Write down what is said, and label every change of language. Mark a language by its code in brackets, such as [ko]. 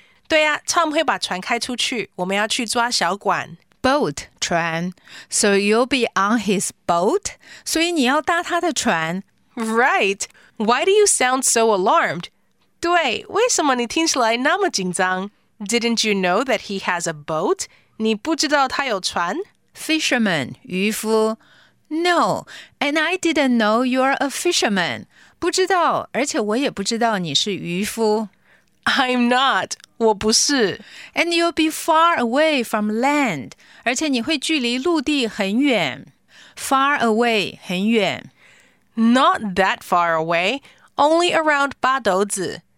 [zh] 对啊， Tom 会把船开出去，我们要去抓小管。 [en] Boat, 船。So you'll be on his boat? [zh] 所以你要搭他的船。 [en] Right. Why do you sound so alarmed? [zh] 对，为什么你听起来那么紧张? [en] Didn't you know that he has a boat? [zh] 你不知道他有船? [en] Fisherman, 渔夫。 No, and I didn't know you're a fisherman. [zh] 不知道，而且我也不知道你是渔夫。 [en] I'm not. [zh] 我不是。 [en] And you'll be far away from land. [zh] 而且你会距离陆地很远。 [en] Far away, [zh] 很远。 [en] Not that far away, only around 八斗子。